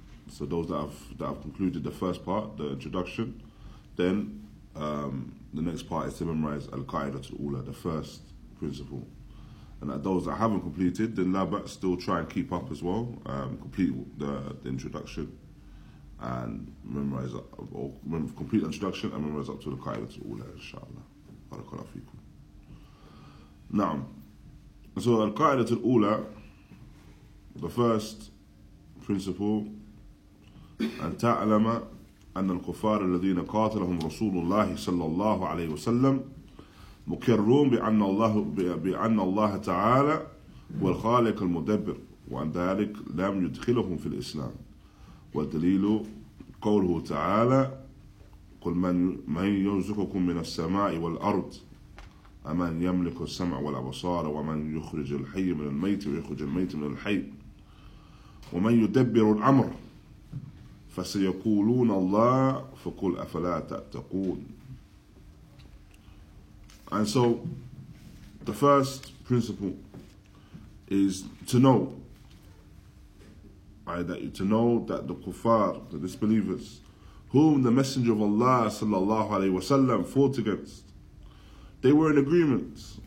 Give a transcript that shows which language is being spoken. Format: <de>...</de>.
<en>So those that have concluded the first part, the introduction, then the next part is to memorize Al-Qa'idatul Ula, the first principle. And those that haven't completed, then Labat still try and keep up as well, complete the introduction and memorize, or complete the introduction and memorize up to Al-Qa'idatul Ula, inshallah.</en> <ar>Barakallahu feekum. Naam.</ar> <en>So Al-Qa'idatul Ula, the first principle,</en> <ar>أن تعلم أن الكفار الذين قاتلهم رسول الله صلى الله عليه وسلم مكرون بأن الله تعالى هو الخالق المدبر وأن ذلك لم يدخلهم في الإسلام. والدليل قوله تعالى قل من يرزقكم من السماء والأرض أمن يملك السمع والأبصار ومن يخرج الحي من الميت ويخرج الميت من الحي ومن يدبر الأمر فسيقولون الله فقل أفلا تتقون.</ar> <en>And so the first principle is to know that the kuffar, the disbelievers, whom the Messenger of Allah sallallahu alayhi wa sallam fought against, they were in agreement.</en>